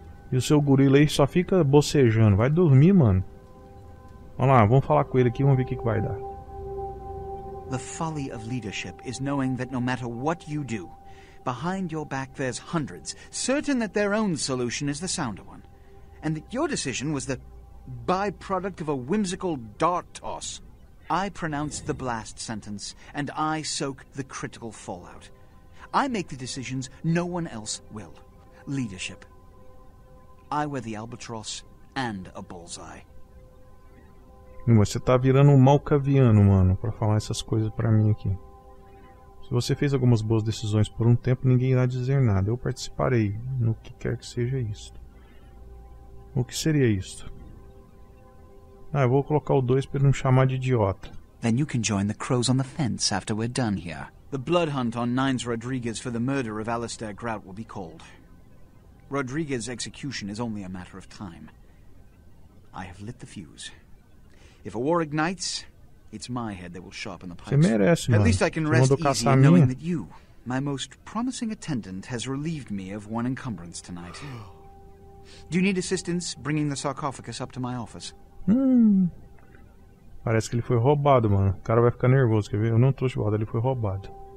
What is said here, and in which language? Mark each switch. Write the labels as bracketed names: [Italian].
[Portuguese] E o seu gorila aí só fica bocejando, vai dormir, mano. Vamos lá, vamos falar com ele aqui, vamos ver o que, que vai dar. [English] The folly of leadership is knowing that no matter what you do, behind your back there's hundreds, certain that their own solution is the sounder one, and that your decision was the byproduct of a whimsical dart toss. I pronounce the blast sentence, and I soak the critical fallout. I make the decisions no one else will. Leadership. I wear the albatross and a bullseye. [Portuguese] Você tá virando um malcaviano, mano, pra falar essas coisas pra mim aqui. Se você fez algumas boas decisões por um tempo, ninguém irá dizer nada. Eu participarei no que quer que seja isto. O que seria isto? Ah, eu vou colocar o 2 pra não chamar de idiota. [English] Then you can join the crows on the fence after we're done here. The blood hunt on Nines Rodriguez for the murder of Alistair Grout will be called. Rodriguez's execution is only a matter of time. I have lit the fuse. If a war ignites, it's my head that will sharpen the pikes. [Portuguese] Você merece, mano. [English] At least I can rest easy in knowing that you, my most promising attendant, has relieved me of one encumbrance tonight. Do you need assistance bringing the sarcophagus up to my office? [Portuguese] Parece que ele foi roubado, mano. O cara vai ficar nervoso, quer ver? Eu não trouxe o balde, ele foi roubado.